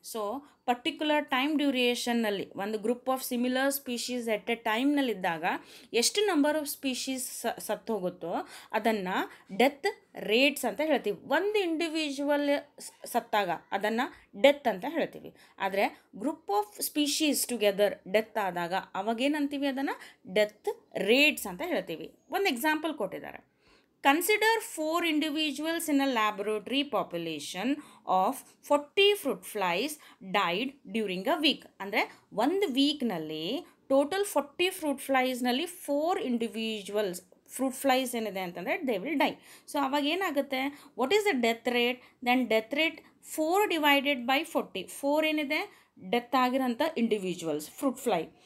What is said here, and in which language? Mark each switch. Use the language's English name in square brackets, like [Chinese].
[Kannada] So particular time ಡ್ಯೂರಿಯೇಷನ್ನಲ್ಲಿ ಒಂದು group of similar species at a ಟೈಮ್ನಲ್ಲಿದ್ದಾಗ ಎಷ್ಟು number of species ಸತ್ತೋಗುತ್ತೋ ಅದನ್ನು death rates ಅಂತ ಹೇಳ್ತೀವಿ. ಒಂದು ಇಂಡಿವಿಜುವಲ್ ಸತ್ತಾಗ ಅದನ್ನು ಡೆತ್ ಅಂತ ಹೇಳ್ತೀವಿ. ಆದರೆ [English] group of species together [Kannada] death ಆದಾಗ ಅವಾಗೇನಂತೀವಿ ಅದನ್ನು ಡೆತ್ ರೇಟ್ಸ್ ಅಂತ ಹೇಳ್ತೀವಿ. ಒಂದು ಎಕ್ಸಾಂಪಲ್ ಕೊಟ್ಟಿದ್ದಾರೆ. [English] Consider 4 individuals in a laboratory population of 40 fruit flies died during a week. [Kannada] ಅಂದರೆ ಒಂದು ವೀಕ್ನಲ್ಲಿ total 40 fruit ಫ್ಲೈಸ್ನಲ್ಲಿ 4 individuals fruit flies ಏನಿದೆ ಅಂತಂದರೆ [English] They will die. So [Kannada] ಅವಾಗ ಏನಾಗುತ್ತೆ, [English] What is the death rate? Then death rate 4 divided by 40. [Kannada] 4 ಏನಿದೆ, death ಆಗಿರೋಂಥ individuals fruit fly.